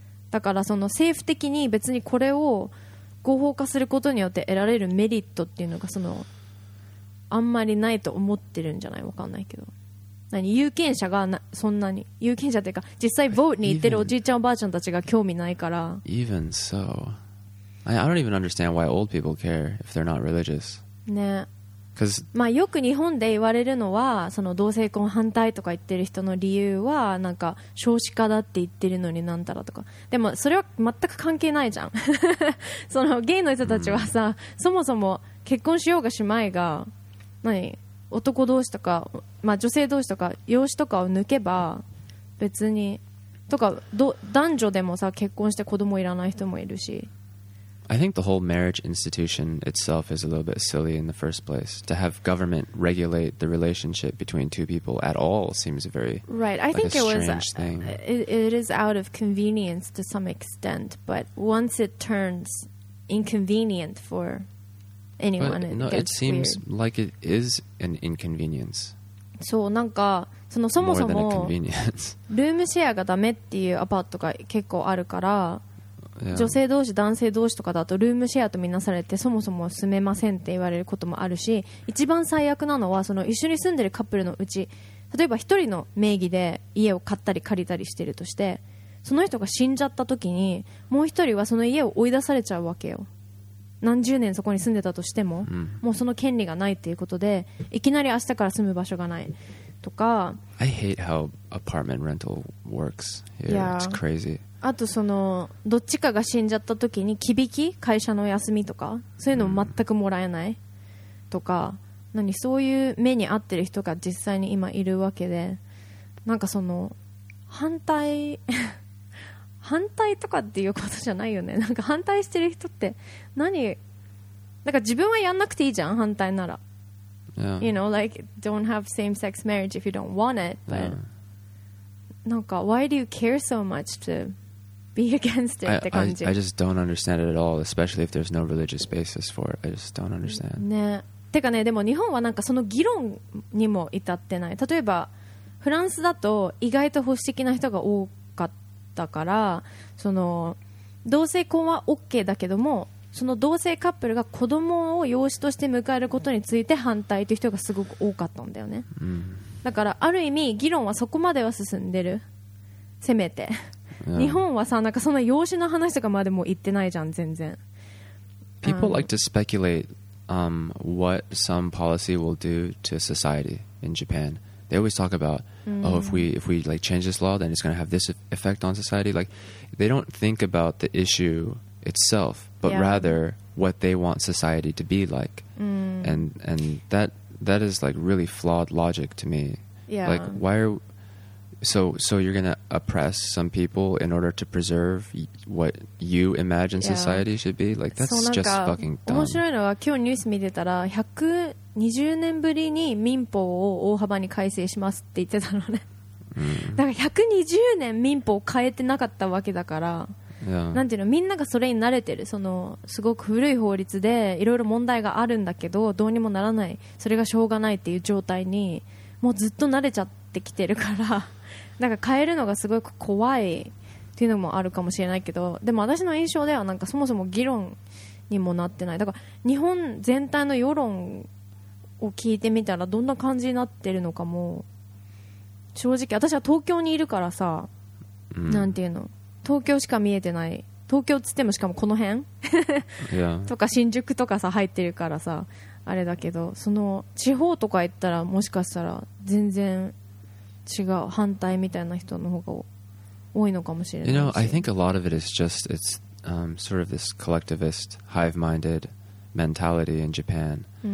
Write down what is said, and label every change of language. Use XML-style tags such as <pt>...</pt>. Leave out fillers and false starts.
<ja>だからその政府的に別にこれを合法化することによって得られるメリットっていうのがそのあんまりないと思ってるんじゃない、わかんないけど、何有権者がな、そんなに有権者というか実際ボートに行ってるおじいちゃんおばあちゃんたちが興味ないから。</ja> <en>Even so, I don't even understand why old people care if they're not religious.</en> <ja>ね、</ja> <en>Cause、</en> <ja>まあよく日本で言われるのはその同性婚反対とか言ってる人の理由はなんか少子化だって言ってるのになんたらとか、でもそれは全く関係ないじゃんそのゲイの人たちはさ、うん、そもそも結婚しようがしまいが何男同士とか、まあ、女性同士とか養子とかを抜けば別にとか、男女でもさ結婚して子供いらない人もいるし。</ja> <en>I think the whole marriage institution itself is a little bit silly in the first place. To have government regulate the relationship between two people at all seems very right. I think it was it is out of convenience to some extent, but once it turns inconvenient forfor anyone, no, it seems like it is an inconvenience.</en> <ja>そう、なんかそのそもそもルームシェアがダメっていうアパートが結構あるから、女性同士男性同士とかだとルームシェアとみなされてそもそも住めませんって言われることもあるし、一番最悪なのはその一緒に住んでるカップルのうち、例えば一人の名義で家を買ったり借りたりしてるとして、その人が死んじゃった時にもう一人はその家を追い出されちゃうわけよ。何十年そこに住んでたとしても、もうその権利がないっていうことで、いきなり明日から住む場所がないとか。</ja> <en>I hate how apartment rental works here. Yeah. It's crazy.</en> <ja>あとそのどっちかが死んじゃった時に帰引き会社の休みとかそういうのも全くもらえないとか、何そういう目に遭ってる人が実際に今いるわけで、なんかその反対反対とかっていうことじゃないよね。なんか反対してる人って何、なんか自分はやんなくていいじゃん反対なら。</ja> <en>Yeah. You know, like, don't have same-sex marriage if you don't want it. But, yeah.</en> <ja>なんか</ja> <en>why do you care so much to be against it?</en> <ja>って感じ。</ja> <en>I just don't understand it at all, especially if there's no religious basis for it. I just don't understand.</en> <ja>ね。てかね、でも日本はなんかその議論にも至ってない。例えばフランスだと意外と保守的な人が多かったから、その同性婚は OK だけども、その同性カップルが子供を養子として迎えることについて反対という人がすごく多かったんだよね。だからある意味議論はそこまでは進んでる、せめて、</ja> <en>yeah.</en> <ja>日本はさ、なんかその養子の話とかまでも言ってないじゃん全然。</ja> <en>People like to speculate what some policy will do to society in Japan. They always talk about, oh, if we like change this law, then it's going to have this effect on society. Like, they don't think about the issue itself, but rather what they want society to be like. And that is like really flawed logic to me. Yeah. Like, why are so you're going to oppress some people in order to preserve what you imagine society should be? Like, that's just fucking dumb.</en> <ja>面白いのは、今日ニュース見てたら120年ぶりに民法を大幅に改正しますって言ってたのね。だから120年民法を変えてなかったわけだから、なんていうの、みんながそれに慣れてる、そのすごく古い法律でいろいろ問題があるんだけどどうにもならない、それがしょうがないっていう状態にもうずっと慣れちゃってきてるから、なんか変えるのがすごく怖いっていうのもあるかもしれないけど、でも私の印象ではなんかそもそも議論にもなってない。だから日本全体の世論を聞いてみたらどんな感じになってるのかも、正直私は東京にいるからさ、なんていうの、東京しか見えてない、東京っつってもしかもこの辺とか新宿とかさ入ってるからさあれだけど、その地方とか行ったらもしかしたら全然違う、反対みたいな人の方が多いのかもしれない。</ja> <en>You know, I think a lot of it is just it's sort of this collectivist hive-minded mentality in Japan.</en>